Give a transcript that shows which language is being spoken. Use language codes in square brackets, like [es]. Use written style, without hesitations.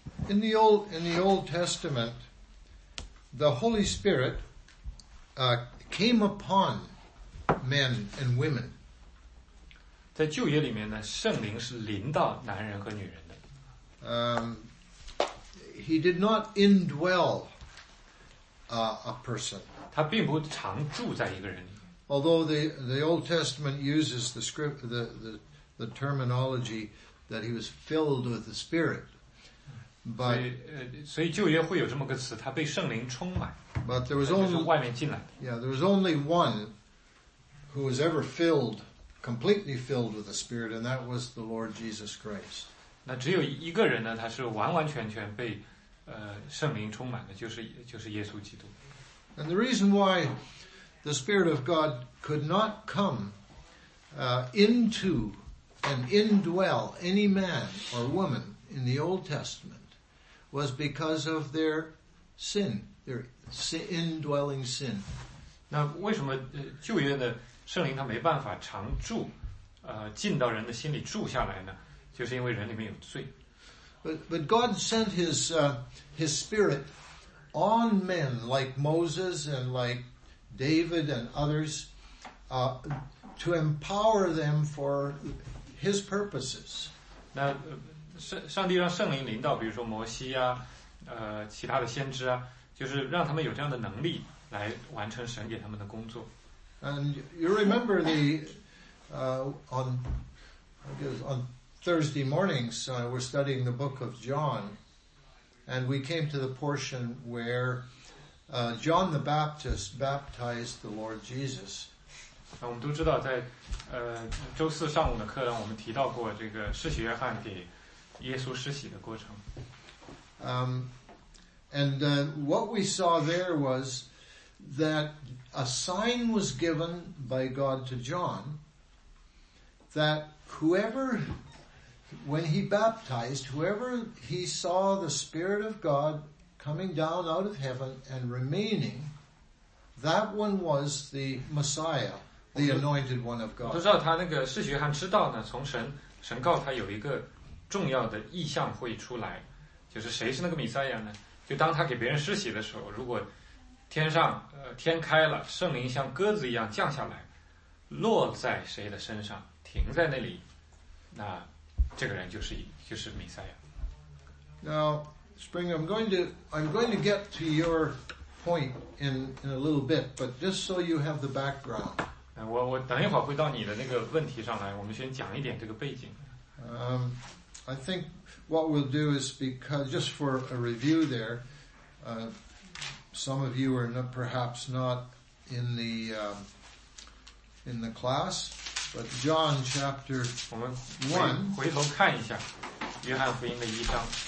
[en] In the Old Testament, the Holy Spirit came upon men and women. [zh] 在旧约里面呢，圣灵是临到男人和女人的。 [en] He did not indwell a person. [zh] 他并不常住在一个人里。 [en] Although the Old Testament uses the script the terminology that he was filled with the Spirit. But, [zh] 所以旧约会有这么个词，他被圣灵充满。 [en] But there was only [zh] 就是外面进来。 [en] Yeah, there was only one who was ever filled, completely filled with the Spirit, and that was the Lord Jesus Christ. [zh] 那只有一个人呢，他是完完全全被圣灵充满的，就是耶稣基督。 [en] And the reason why the Spirit of God could not come into and indwell any man or woman in the Old Testament was because of their sin, their indwelling sin. [zh] 那为什么旧约的圣灵他没办法常住，进到人的心里住下来呢？就是因为人里面有罪。 [en] But God sent His Spirit on men like Moses and like David and others, to empower them for His purposes. [zh] 那上帝让圣灵临到，比如说摩西啊，其他的先知啊，就是让他们有这样的能力来完成神给他们的工作。 [en] And you remember the on I guess on Thursday mornings we're studying the book of John, and we came to the portion where John the Baptist baptized the Lord Jesus. [zh] 那我们都知道在，在周四上午的课上，我们提到过这个施洗约翰给耶稣施洗的过程。 [en] What we saw there was that a sign was given by God to John that whoever, when he baptized, whoever he saw the Spirit of God coming down out of heaven and remaining, that one was the Messiah, the Anointed One of God. [zh] 我都知道他那个施洗约翰知道呢，从神告他有一个重要的意象会出来，就是谁是那个弥赛亚呢？就当他给别人施洗的时候，如果天上天开了，圣灵像鸽子一样降下来，落在谁的身上，停在那里，那这个人就是弥赛亚。 [en] Now, Spring, I'm going to get to your point in a little bit, but just so you have the background. [zh] 我等一会儿会到你的那个问题上来，我们先讲一点这个背景。 [en] I think what we'll do is because, just for a review there, some of you are not, perhaps not in the, in the class, but John chapter 1. [zh] 我们回头看一下约翰福音的一章。